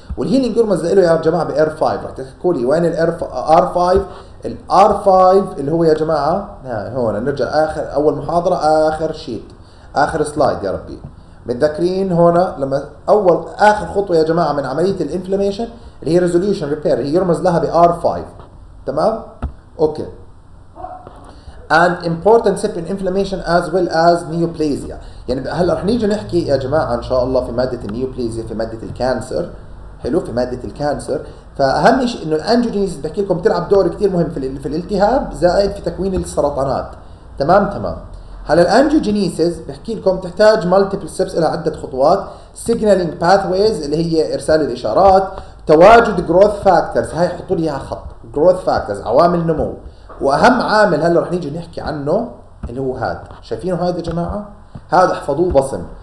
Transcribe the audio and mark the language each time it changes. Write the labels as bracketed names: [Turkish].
[Arabic] والهيلينج يرمز له يا جماعة ب R5، رح تحكوا لي وين ال R5؟ ال R5 اللي هو يا جماعة هون، نرجع آخر أول محاضرة، آخر شيت، آخر سلايد يا ربي. متذكرين هون لما أول آخر خطوة يا جماعة من عملية الانفلاميشن اللي هي resolution repair، هي يرمز لها ب R5، تمام؟ أوكي. [English] And important step in inflammation as well as neoplasia. [Arabic] يعني هلا رح نيجي نحكي يا جماعة إن شاء الله في مادة النيوبليزيا، في مادة الكانسر. حلو، في مادة الكانسر. فأهم شيء إنه الأنجيوجينيسيس بحكي لكم تلعب دور كتير مهم في الالتهاب، زائد في تكوين السرطانات، تمام تمام. هلا الانجيوجينيسيس بحكي لكم تحتاج مالتيبل ستيبس، لها عده خطوات، سيجنالينج باث ويز اللي هي ارسال الاشارات، تواجد جروث فاكتورز، هاي حطوا لي اياها خط جروث فاكتورز عوامل نمو، واهم عامل هلا رح نيجي نحكي عنه اللي هو هذا، شايفينه هذا يا جماعه، هذا احفظوه بصم